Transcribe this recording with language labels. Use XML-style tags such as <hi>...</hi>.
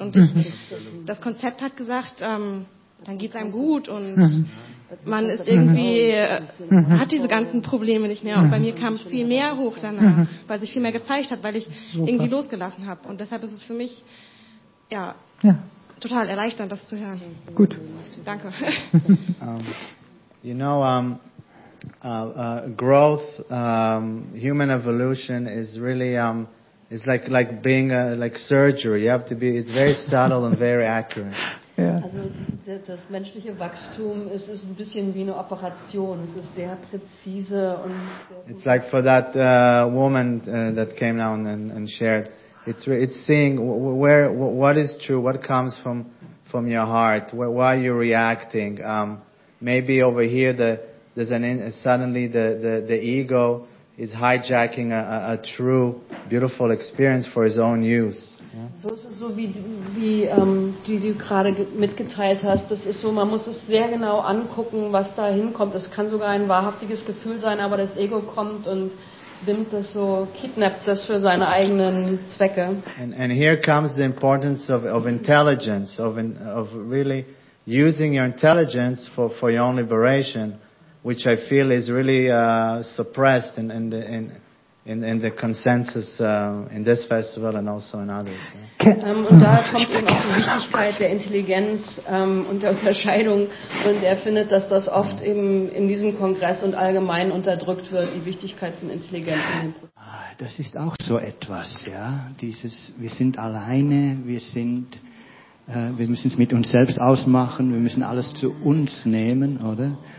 <de>Und das Konzept hat gesagt, dann geht es einem gut und man ist irgendwie, hat diese ganzen Probleme nicht mehr. Und bei mir kam viel mehr hoch danach, weil sich viel mehr gezeigt hat, weil ich irgendwie losgelassen habe. Und deshalb ist es für mich, ja, total erleichternd, das zu hören. Gut. Danke.</de> <en>You know, growth, human evolution is really it's like being a, like surgery. You have to be. It's very subtle and very accurate. Yeah.</en> <de>Also das menschliche Wachstum ist ein bisschen wie eine Operation. Es ist sehr präzise und sehr.</de> <en>It's like for that woman that came down and shared. It's seeing where what is true, what comes from your heart. Why are you reacting? Maybe over here suddenly the ego is hijacking a true beautiful experience for his own use.</en> <de>So ist es so, wie du gerade mitgeteilt hast. Das ist so, man muss es sehr genau angucken, was da hinkommt. Es kann sogar ein wahrhaftiges Gefühl sein, aber das Ego kommt und nimmt das so, kidnappt das für seine eigenen Zwecke.</de> <en>And here comes the importance of intelligence, of really using your intelligence for your own liberation, which I feel is really suppressed in the consensus in this festival and also in others.</en> <de>Und da kommt eben auch die Wichtigkeit der Intelligenz und der Unterscheidung, und er findet, dass das oft eben in diesem Kongress und allgemein unterdrückt wird, die Wichtigkeit von Intelligenz. Das ist auch so etwas, ja, dieses, wir sind alleine, wir müssen es mit uns selbst ausmachen, wir müssen alles zu uns nehmen, oder?</de>